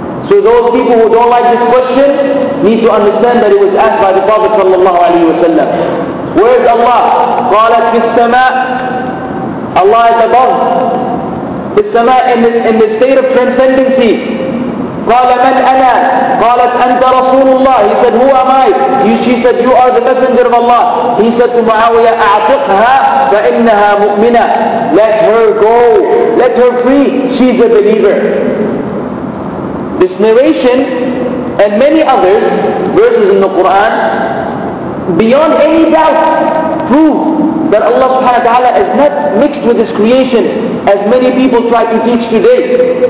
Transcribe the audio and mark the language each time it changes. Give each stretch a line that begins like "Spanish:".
English: So those people who don't like this question need to understand that it was asked by the Prophet sallallahu alayhi wa sallam. Where is Allah?
Arabic: قالت في السماء.
English: Allah is above.
Arabic: في السماء,
English: in the state of transcendency.
Arabic: قال من أنا؟ قالت أنت رسول الله.
English: He said, Who am I? She said, You are the messenger of Allah. He said to Muawiyah,
Arabic: أعتقها فإنها مؤمنة.
English: Let her go. Let her free. She's a believer. This narration and many others, verses in the Quran, beyond any doubt, prove that Allah subhanahu wa ta'ala is not mixed with His creation as many people try to teach today.